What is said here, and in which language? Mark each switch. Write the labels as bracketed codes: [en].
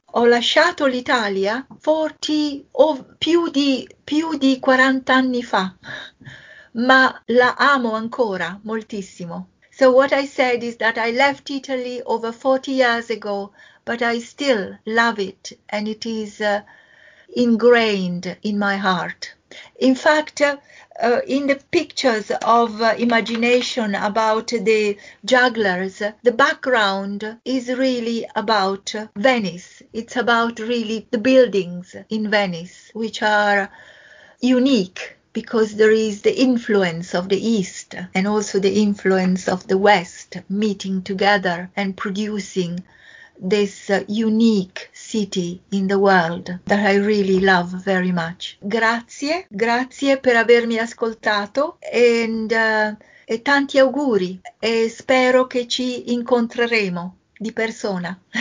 [it] Ho lasciato l'Italia più di 40 anni fa, ma la amo ancora moltissimo. [en] So what I said is that I left Italy over 40 years ago, but I still love it, and it is ingrained in my heart. In fact, in the pictures of imagination about the jugglers, the background is really about Venice. It's about really the buildings in Venice, which are unique because there is the influence of the East and also the influence of the West meeting together and producing this unique city in the world that I really love very much. [it] Grazie, grazie per avermi ascoltato e tanti auguri e spero che ci incontreremo di persona.